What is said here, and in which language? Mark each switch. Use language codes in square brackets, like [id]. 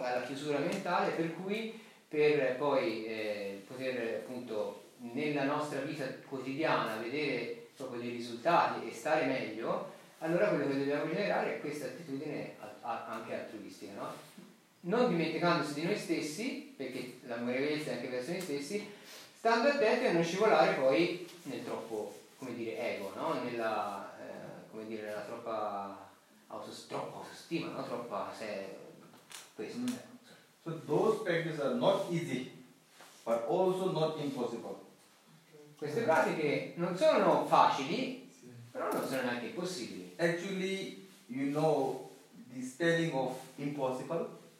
[it] Alla chiusura mentale, per cui per poi poter appunto nella nostra vita quotidiana vedere proprio dei risultati e stare meglio, allora quello che dobbiamo generare è questa attitudine anche altruistica, no? Non dimenticandosi di noi stessi, perché l'amorevolezza è anche verso noi stessi, stando attenti a non scivolare poi nel troppo, come dire, ego, no? Nella, come dire, nella troppa autostima, no? Troppa, se questo. [en] So those practices are not easy, but also not impossible. [it] Queste pratiche non sono facili, però non sono neanche impossibili. [en] Actually, you know the spelling of impossible?